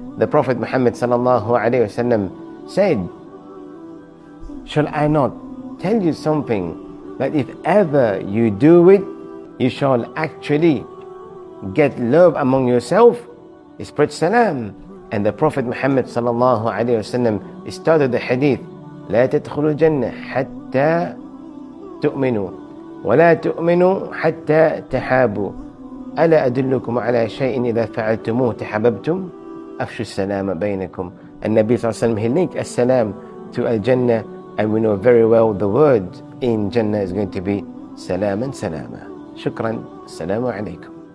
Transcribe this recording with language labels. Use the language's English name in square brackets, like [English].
[English] The Prophet Muhammad sallallahu alayhi wa sallam said, shall I not tell you something, that if ever you do it, you shall actually get love among yourself, spread salam. And the Prophet Muhammad sallallahu alayhi wa sallam started the hadith, [Arabic] لا تدخلوا الجنة حتى تؤمنوا ولا تؤمنوا حتى تحابوا ألا أدلكم على شيء إذا فعلتموه تحببتم أفشوا السلام بينكم. النبي صلى الله عليه وسلم [English] linked [Arabic] السلام [English] to al-Jannah. And we know very well the word in Jannah is going to be salam and salama. Shukran, salamu alaikum.